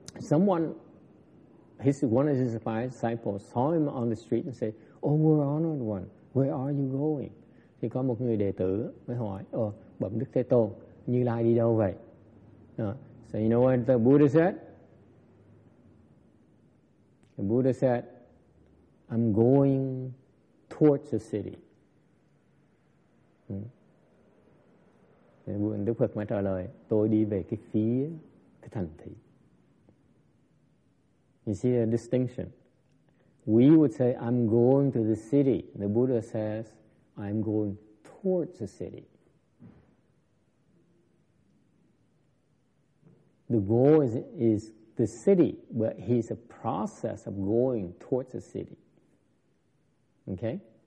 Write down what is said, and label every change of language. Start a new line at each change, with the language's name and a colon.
English: One of his disciples saw him on the street and said, "Oh, we're honored one. Where are you going?"
Vietnamese: Thì có một người đệ tử mới hỏi, bẩm Đức Thế Tôn, Như Lai đi đâu vậy?
English: So you know what the Buddha said? The Buddha said, "I'm going towards the city."
Vietnamese: Đức Phật mới trả lời, tôi đi về phía thành thị.
English: You see the distinction. We would say, I'm going to the city. The Buddha says, I'm going towards the city. The goal is the city, but he's a process of going towards the city. Okay?